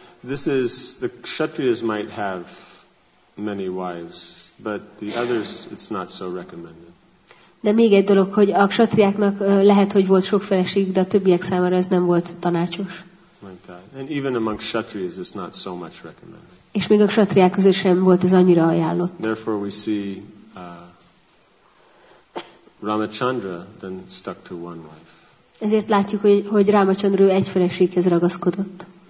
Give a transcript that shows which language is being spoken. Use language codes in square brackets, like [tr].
[en] this is the Kshatriyas might have many wives, but the others it's not so recommended. [hu] De még egy dolog, hogy a Kshatriáknak lehet, hogy volt sok feleségük, de a többiek számára ez nem volt tanácsos. [en] And even among Kshatriyas it's not so much recommended. [hu] És még a Kshatriák közül sem volt ez annyira ajánlott. [en] Therefore we see Ramachandra then stuck to one wife. [hu] Ezért látjuk, hogy Ramachandra egy feleséghez ragaszkodott.